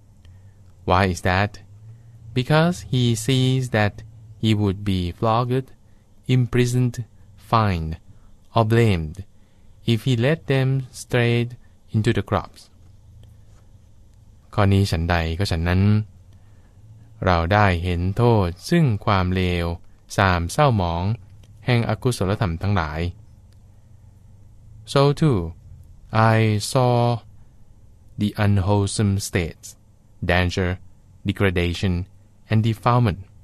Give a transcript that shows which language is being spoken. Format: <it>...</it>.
<en>By constantly tapping and poking them on this side and that with a stick to check the crops them. Why is that? Because he sees that he would be flogged, imprisoned, fined, or blamed if he let them stray into the crops.</en> <th>ข้อนี้ฉันใดก็ฉันนั้นเราได้เห็นโทษซึ่งความเลว สาม เศร้าหมองแห่งอกุศลธรรมทั้งหลาย</th> <en>So too, I saw the unwholesome states, danger, degradation, and defilement.</en>